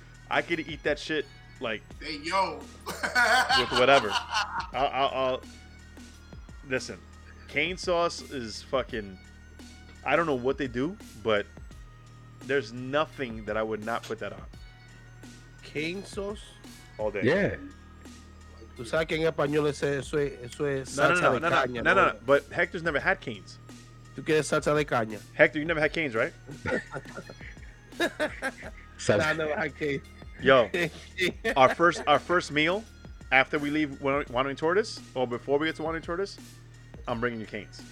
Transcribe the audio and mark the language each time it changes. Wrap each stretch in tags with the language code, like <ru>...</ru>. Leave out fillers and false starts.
<en>I could eat that shit. Like, hey, yo, with whatever. I'll listen. cane sauce is fucking, I don't know what they do, but there's nothing that I would not put that on. Cane sauce? All day. Yeah.</en> <es>Tú sabes que en español es salsa de caña.</es> <en>No, no, no, no, but Hector's never had canes.</en> <es>Tú quieres salsa de caña.</es> <en>Hector, you never had canes, right? No, I never had canes. Yo, our first meal after we leave Wandering Tortoise, or before we get to Wandering Tortoise, I'm bringing you canes.</en>